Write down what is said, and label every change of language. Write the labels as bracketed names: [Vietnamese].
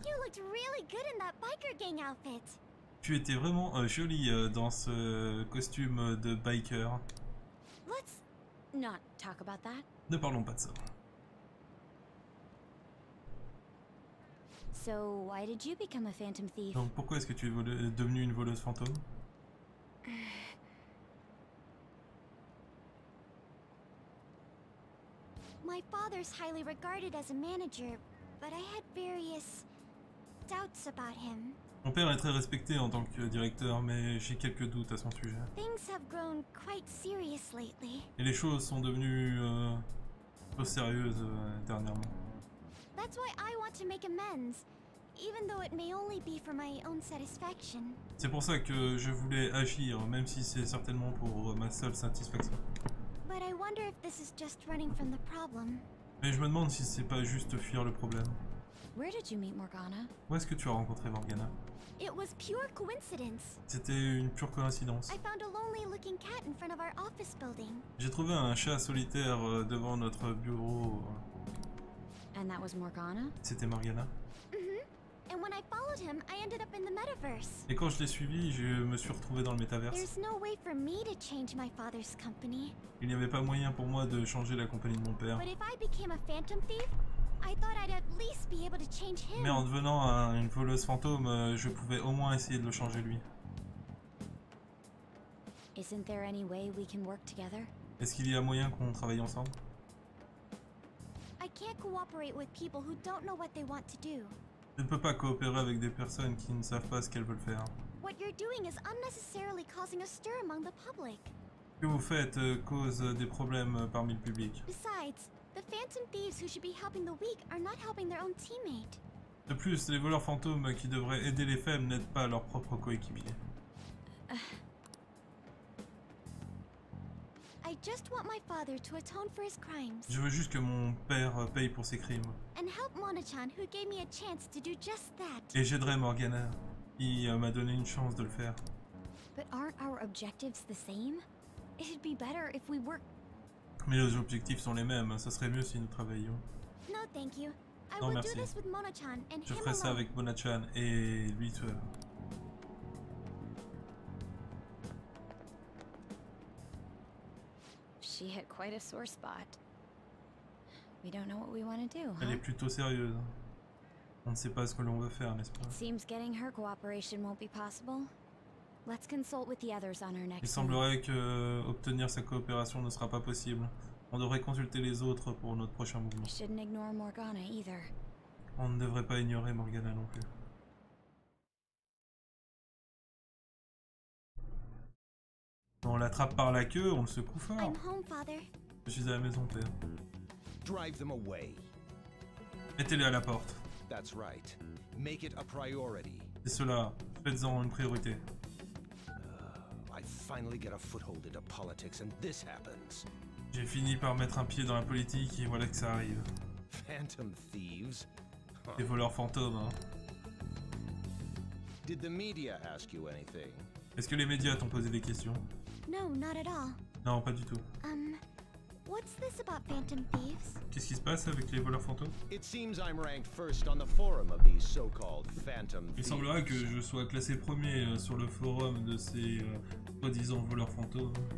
[English] You looked really good in that biker gang outfit. [French] Tu étais vraiment jolie dans ce costume de biker. [English] Let's not talk about that. [French] Ne parlons pas de ça. [English] So why did you become a phantom thief? [French] Donc pourquoi est-ce que tu es devenu une voleuse fantôme? [English] My father's highly regarded as a manager, but I had various doubts about him. [French] Mon père est très respecté en tant que directeur, mais j'ai quelques doutes à son sujet. [English] Things have grown quite serious lately. [French] Et les choses sont devenues trop sérieuses dernièrement. [English] That's why I want to make amends. Even though it may only be for my own satisfaction. [French] C'est pour ça que je voulais agir, même si c'est certainement pour ma seule satisfaction. [English] But I wonder if this is just running from the problem. [French] Mais je me demande si c'est pas juste fuir le problème. [English] Where did you meet Morgana? [French] Où est-ce que tu as rencontré Morgana? [English] It was pure coincidence. [French] C'était une pure coïncidence. [English] I found a lonely-looking cat in front of our office building. [French] J'ai trouvé un chat solitaire devant notre bureau. [English] And that was Morgana? [French] C'était Morgana. [English] And when I followed him, I ended up in the metaverse. [French] Et quand je l'ai suivi, je me suis retrouvé dans le métaverse. [English] There's no way for me to change my father's company. [French] Il n'y avait pas moyen pour moi de changer la compagnie de mon père. [English] But if I became a phantom thief, I thought I'd at least be able to change him. [French] Mais en devenant une voleuse fantôme, je pouvais au moins essayer de le changer lui. [English] Isn't there any way we can work together? [French] Est-ce qu'il y a moyen qu'on travaille ensemble? [English] I can't cooperate with people who don't know what they want to do. [French] Je ne peux pas coopérer avec des personnes qui ne savent pas ce qu'elles veulent faire. [English] What you're doing is unnecessarily causing a stir among the public. [French] Ce que vous faites cause des problèmes parmi le public. [English] Besides, the phantom thieves who should be helping the weak are not helping their own teammate. [French] De plus, les voleurs fantômes qui devraient aider les faibles n'aident pas leurs propres coéquipiers. [English] I just want my father to atone for his crimes. [French] Je veux juste que mon père paye pour ses crimes. [English] And help Mona-chan, who gave me a chance to do just that. [French] Et j'aiderai Morgana, qui m'a donné une chance de le faire. [English] But aren't our objectives the same? It'd be better if we work. [French] Mais nos objectifs sont les mêmes, ça serait mieux si nous travaillions. [English] No, thank you. [French] Non, merci. Je ferai ça avec Mona-chan et lui seul. [English] She hit quite a sore spot. We don't know what we want to do. [French] Elle est plutôt sérieuse. On ne sait pas ce que l'on veut faire, n'est-ce pas? [English] It seems getting her cooperation won't be possible. Let's consult with the others on our next. [French] Il semblerait que obtenir sa coopération ne sera pas possible. On devrait consulter les autres pour notre prochain mouvement. [English] We shouldn't ignore Morgana either. [French] On ne devrait pas ignorer Morgana non plus. On l'attrape par la queue, on le secoue fort. [English] I'm home, father. [French] Je suis à la maison, père. [English] Drive them away. [French] Mettez-les à la porte. [English] That's right. Make it a priority. [French] C'est cela. Faites-en une priorité. [English] I finally get a foothold into politics, and this happens. [French] J'ai fini par mettre un pied dans la politique et voilà que ça arrive. [English] Phantom thieves. [French] Des voleurs fantômes. Hein. [English] Did the media ask you anything? [French] Est-ce que les médias t'ont posé des questions? [English] No, not at all. [French] Non, pas du tout. [English] What's this about phantom thieves? [French] Qu'est-ce qui se passe avec les voleurs fantômes? [English] It seems I'm ranked first on the forum of these so-called phantom thieves. [French] Il semblera que je sois classé premier sur le forum de ces soi-disant voleurs fantômes.